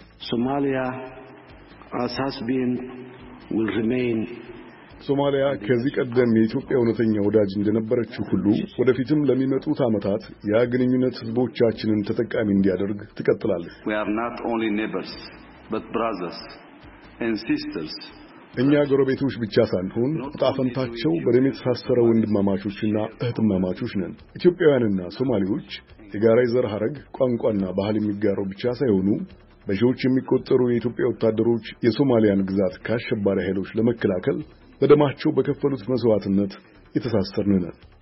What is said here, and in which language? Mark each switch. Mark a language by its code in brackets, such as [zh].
[en] ሶማሊያ as has been will remain [am] ሶማሊያ ከዚህ ቀደም የኢትዮጵያ ወነተኛ ወዳጅ እንደነበረችው ሁሉ ወደፊትም ለሚመጡት አመታት ያግንኙነት ህዝቦቻችንን ተጠቃሚ እንዲያደርግ ትቀጥላለች። [en] We are not only neighbors but brothers and sisters [am] እኛ ጎረቤቶች ብቻ ሳንሆን ጣፈንታቸው በደሜት ተሳስረው ወንድማማቾችና እህትማማቾች ነን። ኢትዮጵያውያንና ሶማሌዎች የጋራ ዘር ሐረግ ቋንቋና ባህል የሚጋሩ ብቻ ሳይሆኑ በሺዎች የሚቆጠሩ የኢትዮጵያ ወታደሮች የሶማሊያን ግዛት ከአሸባሪ ኃይሎች ለመከላከል በደማቸው በከፈሉት መስዋዕትነት የተሳሰሩ ነን።